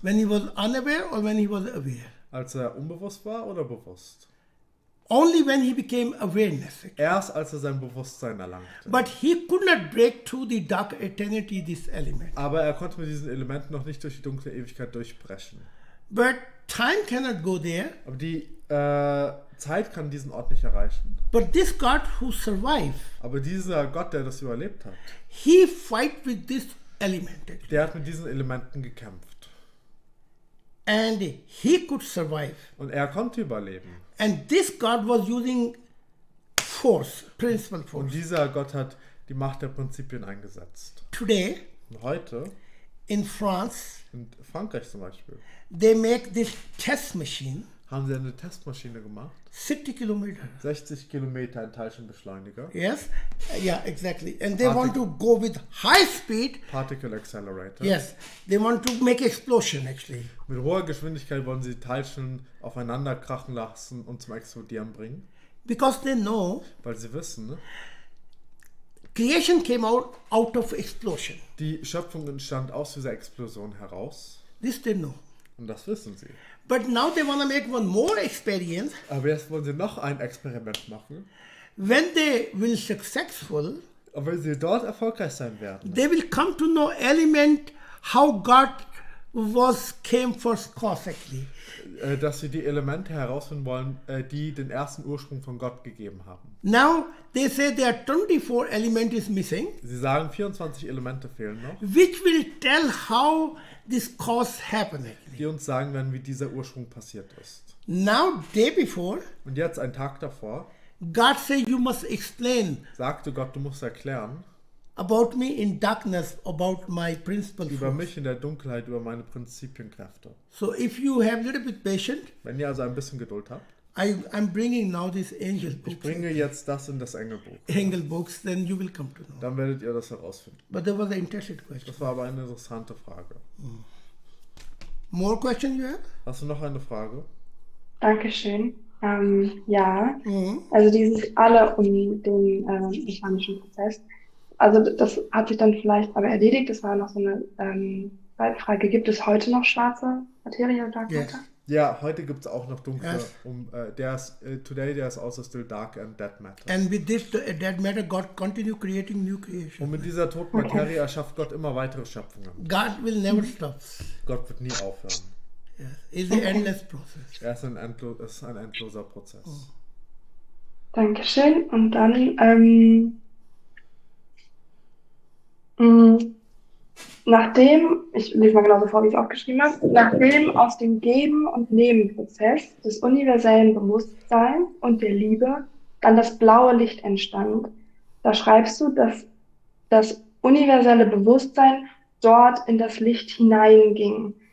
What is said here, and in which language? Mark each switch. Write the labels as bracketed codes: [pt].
[en] When he was unaware or when he was aware? [de] Als er unbewusst war oder bewusst? [en] Only when he became awareness. Actually. [de] Erst als er sein Bewusstsein erlangte. [en] But he could not break through the dark eternity this element. [de] Aber er konnte mit diesen Elementen noch nicht durch die dunkle Ewigkeit durchbrechen. [en] But time cannot go there. [de] Aber die Zeit kann diesen Ort nicht erreichen. [en] But this God who survived. [de] Aber dieser Gott, der das überlebt hat. [en] He fight with this element. Actually. [de] Der hat mit diesen Elementen gekämpft. [en] And he could survive. [de] Und er konnte überleben. [en] And this God was using force, principal force. [de] Und dieser Gott hat die Macht der Prinzipien eingesetzt. [en] Today. [de] Und heute. [en] In France. [de] In Frankreich zum Beispiel. [en] They make this test machine. [de] Haben sie eine Testmaschine gemacht? [en] 70 Kilometer. [de] 60 Kilometer ein Teilchenbeschleuniger. [en] Yes. Yeah, exactly. And they want to go with high speed. Particle accelerator. Yes. They want to make explosion actually. [de] Mit hoher Geschwindigkeit wollen sie Teilchen aufeinander krachen lassen und zum Explodieren bringen. [en] Because they know. [de] Weil sie wissen, ne? [en] Creation came out of explosion. [de] Die Schöpfung entstand aus dieser Explosion heraus. [en] This they know. [de] Und das wissen sie. [en] But now they want to make one more experience. [de] Aber jetzt wollen sie noch ein Experiment machen. [en] When they will successful. [de] weil sie dort erfolgreich sein werden. [en] They will come to know element how God was came first perfectly. [de] Dass sie die Elemente herausfinden wollen, die den ersten Ursprung von Gott gegeben haben. [en] Now they say there are 24 elements missing. [de] Sie sagen, 24 Elemente fehlen noch. [en] Which will tell how this cause happened. [de] Die uns sagen werden, wie dieser Ursprung passiert ist. [en] Now day before. [de] Und jetzt ein Tag davor. [en] God say you must explain. [de] Sagte Gott, du musst erklären. [en] About me in darkness, about my principles. [de] Über mich in der Dunkelheit, über meine Prinzipienkräfte. [en] So if you have a little bit patient. [de] Wenn ihr also ein bisschen Geduld habt. [en] I'm bringing now this angel [de] book. Ich bringe jetzt das in das Engelbuch. [en] Angel books, then you will come to know. [de] Dann werdet ihr das herausfinden. [en] But that was an interesting question. [de] Das war aber eine interessante Frage. [en] Mm. More questions you have? [de] Hast du noch eine Frage? Dankeschön. Ja. Mm. Also dieses alle um den mechanischen Prozess. Also das hat sich dann vielleicht aber erledigt. Das war noch so eine Frage. Gibt es heute noch schwarze Materie und Dark Matter? Yes. Ja, heute gibt es auch noch dunkle. Yes. [en] Today there is also still dark and dead matter. And with this dead matter, God continue creating new creation. [de] Und mit dieser toten Materie erschafft Gott immer weitere Schöpfungen. [en] God will never stop. [de] Gott wird nie aufhören. [en] Yes. It's an endless process. [de] Er ist ein endloser Prozess. Oh. Dankeschön. Und dann nachdem, ich lese mal genauso vor, wie ich es aufgeschrieben habe, nachdem aus dem Geben- und Nehmen-Prozess des universellen Bewusstseins und der Liebe dann das blaue Licht entstand, da schreibst du, dass das universelle Bewusstsein dort in das Licht hineinging.